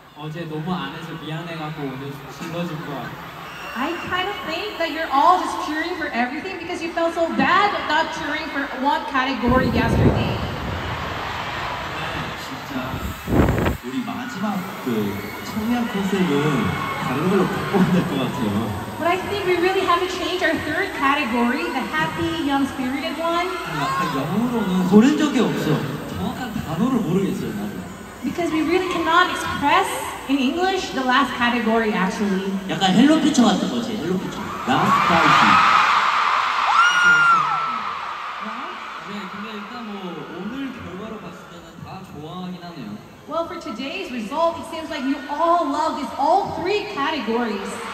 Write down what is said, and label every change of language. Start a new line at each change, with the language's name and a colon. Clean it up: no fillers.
English: I kind of think that you're all just cheering for everything because you felt so bad not cheering for one category yesterday.
Korean: 진짜 우리 마지막 그 청량 컨셉은 다른 걸로 바꿔야 될 것 같아요.
English: But I think we really have to change our third category, the happy young spirited one.
Korean: 영어로는 고른 적이 없어. 정확한 단어를 모르겠어요. 나도.
English: Because we really cannot express in English the last category actually.
Korean: 약간 헬로 퓨처 같은 거지, 헬로 퓨처.
English: Last Party.
Korean: 네, 근데 일단 뭐 오늘 결과로 봤을 때는 다 좋아하긴 하네요.
English: Well, for today's result, it seems like you all love these all three categories.